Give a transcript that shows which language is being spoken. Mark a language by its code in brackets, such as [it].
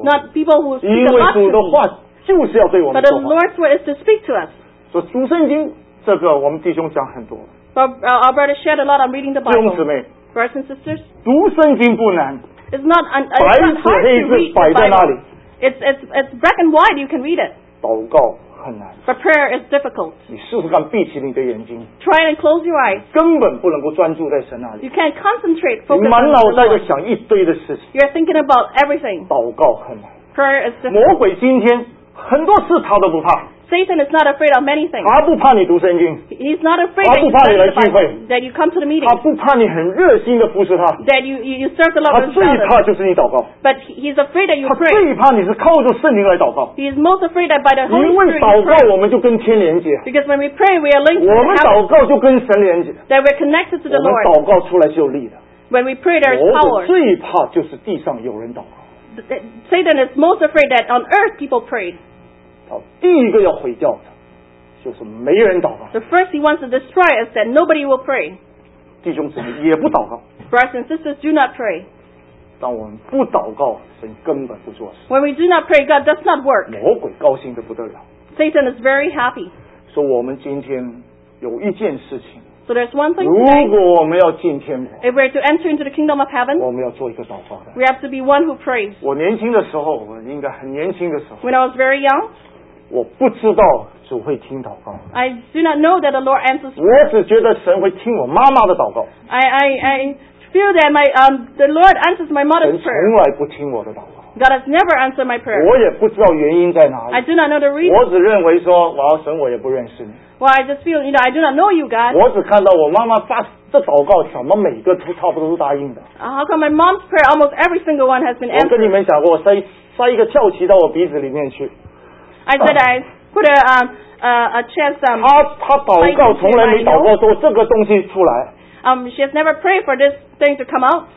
[en] Not people who speak a lot to us. [zh] 因为主的话, [en] but the Lord's word is to speak to us. [zh] 所以读圣经, 这个我们弟兄讲很多, [en] but our brother shared a lot on reading the Bible. [zh] 弟兄姊妹, [en] brothers and sisters, [zh] 读圣经不难, [en] it's not hard to read the Bible. It's black and white, you can read it. [zh] 祷告很难, [en] but prayer is difficult. [zh] 你试试看闭起你的眼睛, [en] try and close your eyes. [zh] 根本不能够专注在神那里, [en] you can't concentrate, focus on the Lord. You're thinking about everything. [zh] 祷告很难, [en] prayer is difficult. [zh] 魔鬼今天, 很多事他都不怕, [en] Satan is not afraid of many things. [zh] 他不怕你读圣经, [en] he's not afraid that you come to the Bible, that you come to the meeting. [zh] 他不怕你很热心地服侍他, [en] that you serve the Lord. [zh] 他最怕就是你祷告, [en] but he's afraid that you pray. [zh] 他最怕你是靠着圣灵来祷告, [en] he's most afraid that by the Holy Spirit. [zh] 因为祷告我们就跟天连接, [en] because when we pray we are linked to heaven. [zh] 我们祷告就跟神连接, [en] that we're connected to the Lord. [zh] 我们祷告出来就有力的, [en] when we pray there is power. [zh] 我最怕就是地上有人祷告, [en] Satan is most afraid that on earth people prayed. [zh] 第一个要毁掉的就是没人祷告。 [en] The first he wants to destroy is that nobody will pray. [zh] 弟兄姊妹也不祷告。 [en] Brothers and sisters do not pray. [zh] 当我们不祷告, 神根本不做事。 [en] When we do not pray, God does not work. [zh] 魔鬼高兴得不得了。 [en] Satan is very happy. [zh] 所以我们今天有一件事情, [en] so there's one thing today, [zh] 如果我们要进天国, [en] if we're to enter into the kingdom of heaven, [zh] 我们要做一个祷告的, [en] we have to be one who prays. [zh] 我年轻的时候, 我应该很年轻的时候, [en] when I was very young, [zh] 我不知道主会听祷告, [en] I do not know that the Lord answers prayer. [zh] 我只觉得神会听我妈妈的祷告, [en] I feel that the Lord answers my mother's prayer. [zh] 神从来不听我的祷告, [en] God has never answered my prayer. [zh] 我也不知道原因在哪里, [en] I do not know the reason. [zh] 我只认为说, 神, 我也不认识你。 [en] Well, I just feel, you know, I do not know you, God. [zh] 我只看到我妈妈发这祷告什么每个都差不多都答应的。 [en] How come my mom's prayer, almost every single one has been answered? [zh] 我跟你们讲过, 塞一个翘旗到我鼻子里面去。 [en] I said I put a chest. [zh] 他祷告从来没祷告说这个东西出来。 [en] She has never prayed for this thing to come out.